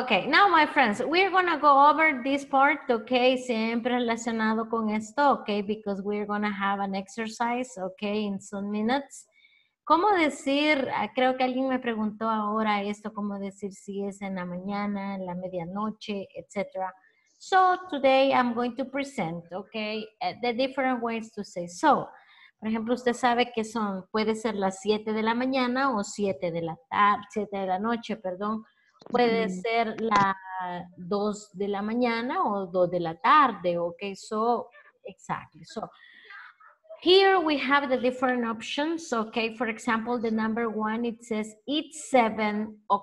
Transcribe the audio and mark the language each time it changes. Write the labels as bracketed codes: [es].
[en] Okay, now my friends, we're gonna go over this part, okay? [es] Siempre relacionado con esto, [en] okay? Because we're gonna have an exercise, okay, in some minutes. [es] ¿Cómo decir? Creo que alguien me preguntó ahora esto, ¿cómo decir si es en la mañana, en la medianoche, etc.? [en] So, today I'm going to present, okay, the different ways to say so. [es] Por ejemplo, usted sabe que son, puede ser las 7 de la mañana o 7 de la tarde, 7 de la noche, perdón. Puede ser las 2 de la mañana o 2 de la tarde, ok? [en] So, exactly. So, here we have the different options, ok? For example, the number one, it says, it's 7:00.